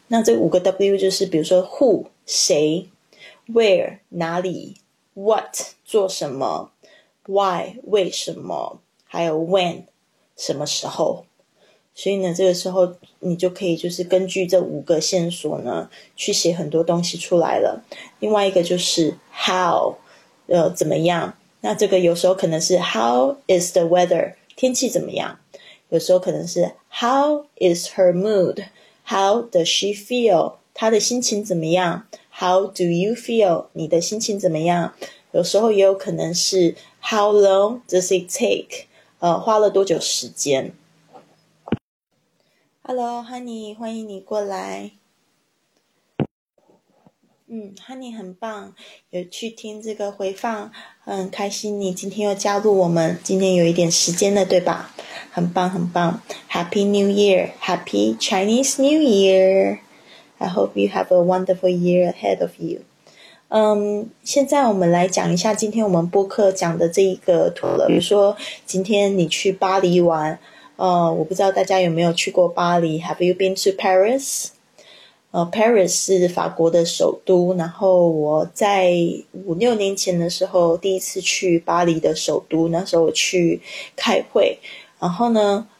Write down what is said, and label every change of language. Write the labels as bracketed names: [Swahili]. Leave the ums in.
[Chinese] 那这五个 W 就是，比如说 Who 谁，Where 哪里，What 做什么，Why 为什么，还有 When。什么时候？所以呢，这个时候你就可以就是根据这五个线索呢，去写很多东西出来了。另外一个就是 how，呃，怎么样？那这个有时候可能是 [English] how is the weather？ [Chinese] 天气怎么样？有时候可能是 [English] how is her mood？How does she feel？ [Chinese] 她的心情怎么样？ [English] How do you feel？ [Chinese] 你的心情怎么样？有时候也有可能是 [English] how long does it take？ [Chinese] 呃，花了多久时间？ [English] Hello，Honey， [Chinese] 欢迎你过来。嗯，Honey 很棒，有去听这个回放，很开心。你今天又加入我们，今天有一点时间了，对吧？很棒，很棒。 [English] Happy New Year，Happy Chinese New Year。 I hope you have a wonderful year ahead of you. [Chinese] 嗯，um, 现在我们来讲一下今天我们播客讲的这一个图了。比如说，今天你去巴黎玩，呃，我不知道大家有没有去过巴黎？ [English] Have you been to Paris？ [Chinese] 呃、uh,，Paris 是法国的首都。然后我在五六年前的时候第一次去巴黎的首都，那时候我去开会，然后呢？